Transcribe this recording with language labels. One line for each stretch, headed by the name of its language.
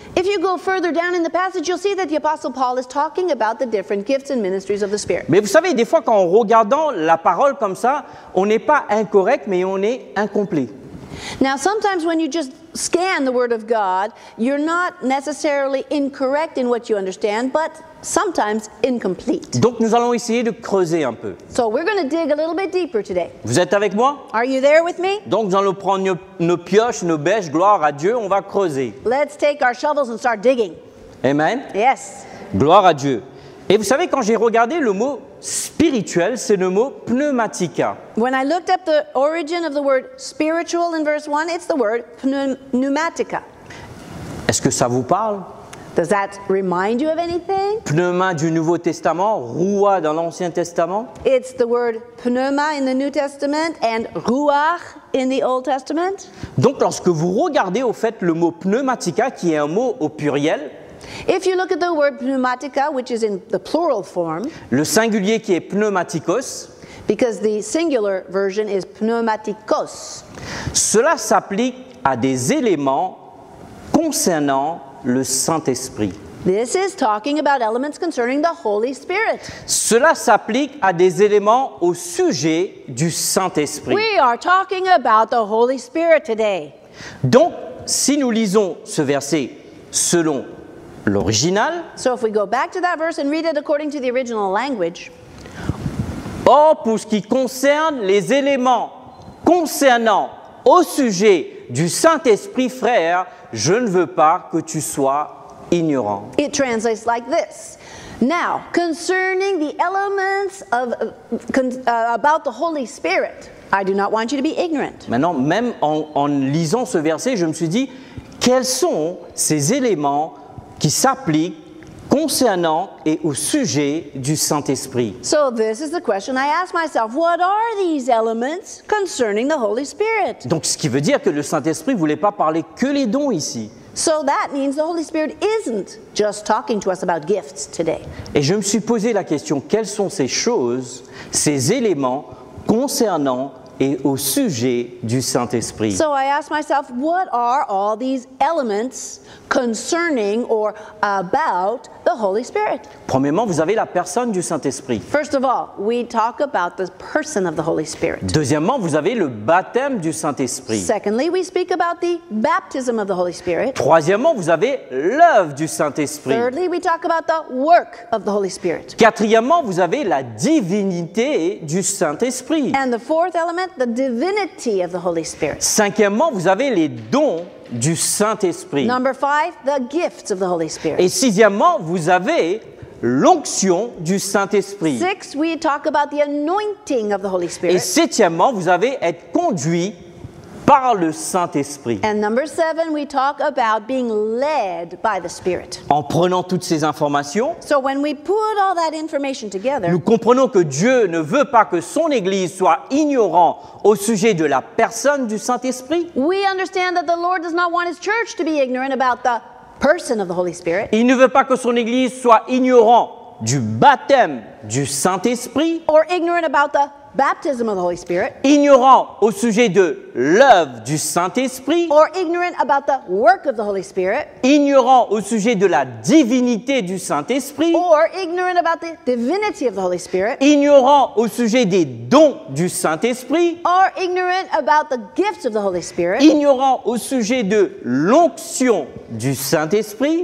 English: If you go further down in the passage, you'll see that the apostle Paul is talking about the different gifts and ministries of the Spirit.
French: Mais vous savez, des fois, quand on regarde la parole comme ça, on n'est pas incorrect, mais on est incomplet.
English: Now, sometimes when you just scan the Word of God, you're not necessarily incorrect in what you understand, but sometimes incomplete.
French: Donc, nous allons essayer de creuser un peu.
English: So, we're going to dig a little bit deeper today.
French: Vous êtes avec moi?
English: Are you there with me?
French: Donc, nous allons prendre nos pioches, nos bêches, gloire à Dieu, on va creuser.
English: Let's take our shovels and start digging. Amen? Yes.
French: Gloire à Dieu. Et vous savez, quand j'ai regardé le mot spirituel, c'est le mot pneumatica.
English: When I looked up the origin of the word spiritual in verse 1, it's the word pneumatica.
French: Est-ce que ça vous parle?
English: Does that remind you of anything?
French: Pneuma du Nouveau Testament, roua dans l'Ancien Testament.
English: It's the word pneuma in the New Testament and ruach in the Old Testament.
French: Donc, lorsque vous regardez au fait le mot pneumatica, qui est un mot au pluriel,
English: if you look at the word pneumatica, which is in the plural form,
French: le singulier qui est pneumatikos,
English: because the singular version is pneumatikos,
French: cela s'applique à des éléments concernant le Saint-Esprit.
English: This is talking about elements concerning the Holy Spirit.
French: Cela s'applique à des éléments au sujet du Saint-Esprit.
English: We are talking about the Holy Spirit today.
French: Donc, si nous lisons ce verset selon l'original,
English: so if we go back to that verse and read it according to the original language,
French: or pour ce qui concerne les éléments concernant au sujet du Saint-Esprit, frère, je ne veux pas que tu sois ignorant.
English: It translates like this. Now, concerning the elements of about the Holy Spirit, I do not want you to be ignorant.
French: Maintenant, même en lisant ce verset, je me suis dit, quels sont ces éléments qui s'appliquent concernant et au sujet du Saint-Esprit?
English: So this is the question I ask myself. What are these elements concerning the Holy Spirit?
French: Donc, ce qui veut dire que le Saint-Esprit ne voulait pas parler que les dons ici.
English: So that means the Holy Spirit isn't just talking to us about gifts today.
French: Et je me suis posé la question, quelles sont ces choses, ces éléments concernant et au sujet du Saint-Esprit?
English: So I asked myself, what are all these elements concerning or about the Holy Spirit?
French: Premièrement, vous avez la personne du Saint-Esprit.
English: First of all, we talk about the person of the Holy Spirit.
French: Deuxièmement, vous avez le baptême du Saint-Esprit.
English: Secondly, we speak about the baptism of the Holy Spirit.
French: Troisièmement, vous avez l'œuvre du Saint-Esprit.
English: Thirdly, we talk about the work of the Holy Spirit.
French: Quatrièmement, vous avez la divinité du Saint-Esprit.
English: And the fourth element, the divinity of the Holy Spirit.
French: Cinquièmement, vous avez les dons du Saint-Esprit.
English: Number five, the gifts of the Holy Spirit.
French: Et sixièmement, vous avez l'onction du Saint-Esprit.
English: Six, we talk about the anointing of the Holy Spirit.
French: Et septièmement, vous avez être conduit par le Saint-Esprit.
English: And number seven, we talk about being led by the Spirit.
French: En prenant toutes ces informations,
English: so when we put all that information together,
French: nous comprenons que Dieu ne veut pas que son Église soit ignorant au sujet de la personne du Saint-Esprit.
English: We understand that the Lord does not want His church to be ignorant about the person of the Holy Spirit.
French: Il ne veut pas que son Église soit ignorant du baptême du Saint-Esprit.
English: Or ignorant about the baptism of the Holy Spirit.
French: Ignorant au sujet de l'œuvre du Saint-Esprit.
English: Or ignorant about the work of the Holy Spirit.
French: Ignorant au sujet de la divinité du Saint-Esprit.
English: Or ignorant about the divinity of the Holy Spirit.
French: Ignorant au sujet des dons du Saint-Esprit.
English: Or ignorant about the gifts of the Holy Spirit.
French: Ignorant au sujet de l'onction du Saint-Esprit.